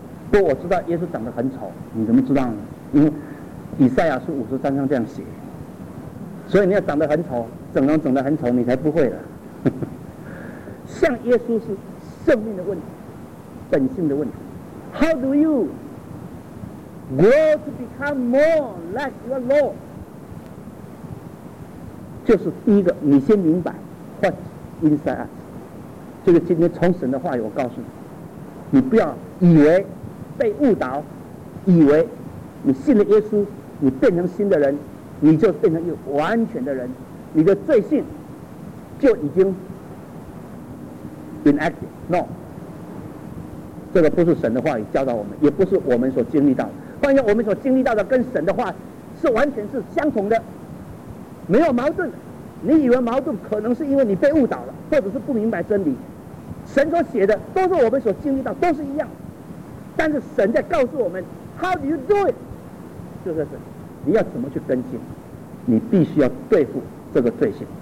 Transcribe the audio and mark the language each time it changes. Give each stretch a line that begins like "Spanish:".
Chinese: 不，我知道耶稣长得很丑，你怎么知道呢？因为以赛亚书53章这样写，所以你要长得很丑，整容整得很丑，你才不会的。像耶稣是生命的问题，本性的问题。
English: How do you? Grow to become more like your Lord，
Chinese: 就是第一个，你先明白
English: what inside us。
Chinese: 这个今天从神的话语，我告诉你，你不要以为被误导，以为你信了耶稣，你变成新的人，你就变成一个完全的人，你的罪性就已经 inactive。 No， 这个不是神的话语教导我们，也不是我们所经历到的。关于我们所经历到的跟神的话是完全是相同的，没有矛盾。你以为矛盾，可能是因为你被误导了，或者是不明白真理。神所写的都是我们所经历到，都是一样。但是神在告诉我们 ，
English: How do you do it？
Chinese: 就是你要怎么去更新，你必须要对付这个罪性。